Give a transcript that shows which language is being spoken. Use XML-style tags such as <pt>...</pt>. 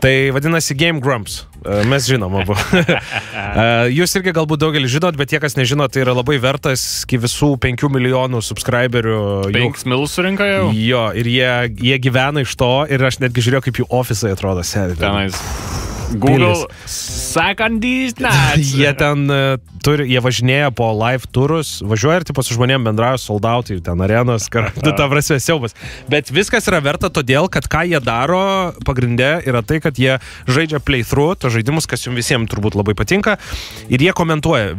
<lt>Tai vadinasi Game Grumps. Mes žinom abu. Jūs irgi galbūt daugelį žinot, bet tie, kas nežino, tai yra labai vertas iki visų 5 milijonų subscriberių. 5 milus surinka jau? Jo, ir jie gyvena iš to, ir aš netgi žiūrėjau, kaip jų ofisai atrodo. Tenais.</lt> <en>Google second these nuts.</en> <lt>Jie ten turi, jie važinėja po live turus, važiuoja ir tipo su žmonėm bendrauja, sold out, jau ten arenos, ta prasme siaubas. Bet viskas yra verta todėl, kad ką jie daro pagrinde yra tai, kad jie žaidžia playthrough, to žaidimus, kas jums visiems turbūt labai patinka, ir jie komentuoja.</lt>